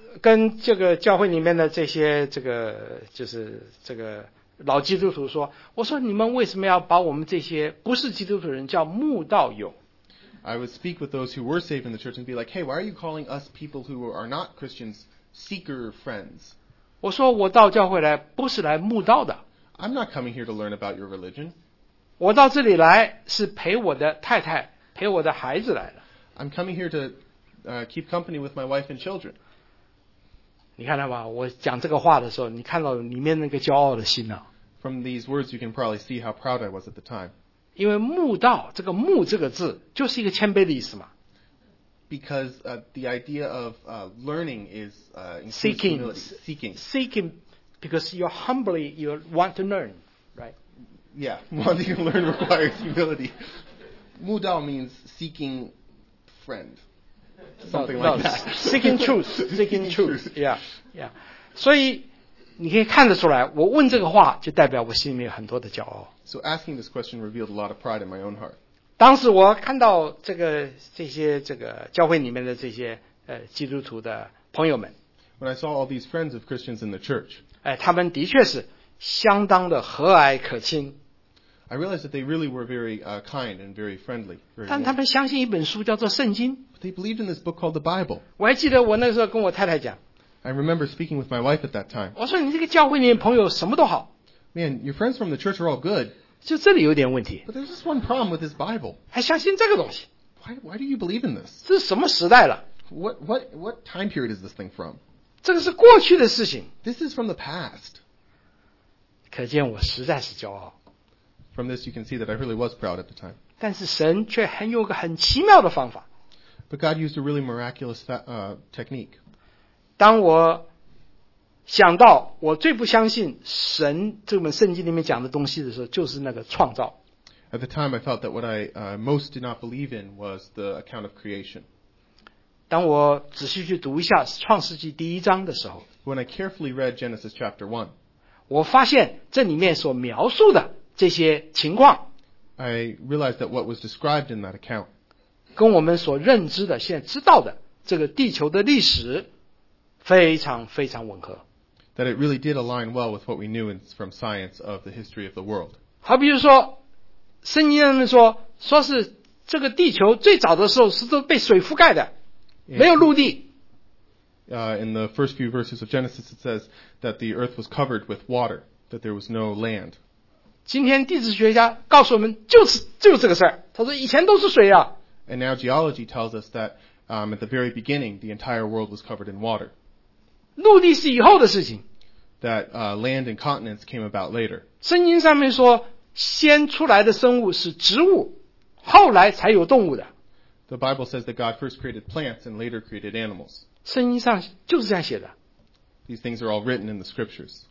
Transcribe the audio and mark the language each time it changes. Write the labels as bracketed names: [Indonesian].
[Chinese] 跟这个教会里面的这些这个就是这个老基督徒说，我说你们为什么要把我们这些不是基督徒人叫慕道友？ [English] I would speak with those who were saved in the church and be like, hey, why are you calling us people who are not Christians seeker friends? [Chinese] 我说我到教会来不是来慕道的。 [English] I'm not coming here to learn about your religion. [Chinese] 我到这里来是陪我的太太陪我的孩子来的。 [English] I'm coming here to keep company with my wife and children. [Chinese] 你看到吧，我讲这个话的时候，你看到里面那个骄傲的心啊。 [English] From these words, you can probably see how proud I was at the time. [Chinese] 因为慕道，这个慕这个字，就是一个谦卑的意思嘛。 [English] Because the idea of learning is seeking, seeking, seeking, because you're humbly, you want to learn, right? Yeah, wanting to learn requires humility. 慕道 means seeking friend. Something like that. Seeking truth, seeking truth. Yeah, yeah. [Chinese] 所以你可以看得出来，我问这个话就代表我心里面有很多的骄傲。 [English] So asking this question revealed a lot of pride in my own heart. [Chinese] 当时我看到这个这些这个教会里面的这些基督徒的朋友们。 [English] When I saw all these friends of Christians in the church. [Chinese] 哎，他们的确是相当的和蔼可亲。 [English] I realized that they really were very kind and very friendly. Very [Chinese] 但他们相信一本书叫做圣经。 [English] They believed in this book called the Bible. [Chinese] 我还记得我那时候跟我太太讲。 [English] I remember speaking with my wife at that time. [Chinese] 我说你这个教会里面朋友什么都好。 [English] Man, your friends from the church are all good. [Chinese] 就这里有点问题。 [English] But there's just one problem with this Bible. [Chinese] 还相信这个东西。 [English] Why do you believe in this? [Chinese] 这是什么时代了？ [English] What time period is this thing from? [Chinese] 这个是过去的事情。 [English] This is from the past. [Chinese] 可见我实在是骄傲。 [English] From this you can see that I really was proud at the time. [Chinese] 但是神却很有个很奇妙的方法。 [English] But God used a really miraculous technique. [Chinese] 当我想到我最不相信神这本圣经里面讲的东西的时候，就是那个创造。 [English] At the time, I felt that what I most did not believe in was the account of creation. [Chinese] 当我仔细去读一下创世纪第一章的时候， [English] When I carefully read Genesis chapter 1, [Chinese] 我发现这里面所描述的这些情况， [English] I realized that what was described in that account. [Chinese] 跟我们所认知的现在知道的这个地球的历史非常非常吻合。 [English] That it really did align well with what we knew from science of the history of the world. [Chinese] 好比如说圣经上面说说是这个地球最早的时候是都被水覆盖的 [English] yeah, [Chinese] 没有陆地。 [English] In the first few verses of Genesis, it says that the earth was covered with water, that there was no land. [Chinese] 今天地质学家告诉我们就是这个事儿。他说以前都是水啊。 [English] And now geology tells us that, at the very beginning, the entire world was covered in water. [Chinese] 陆地是以后的事情。 [English] That, land and continents came about later. [Chinese] 圣经上面说先出来的生物是植物，后来才有动物的。 [English] The Bible says that God first created plants and later created animals. [Chinese] 圣经上就是这样写的。 [English] These things are all written in the scriptures.